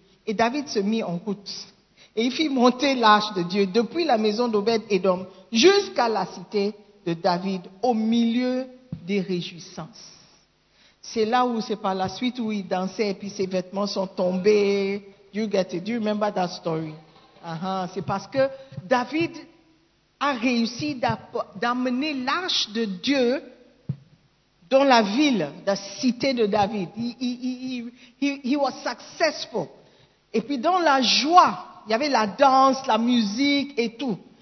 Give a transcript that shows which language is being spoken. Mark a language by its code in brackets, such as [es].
[fr] Et David se mit en route. Et il fit monter l'arche de Dieu depuis la maison d'Obed-Edom jusqu'à la cité de David au milieu des réjouissances. C'est là où c'est par la suite où il dansait et puis ses vêtements sont tombés. [en] You get it? Do you remember that story? [fr] C'est parce que David a réussi d'amener l'arche de Dieu dans la ville, la cité de David. [en] He was successful. [fr] Et puis dans la joie, il y avait la danse, la musique et tout.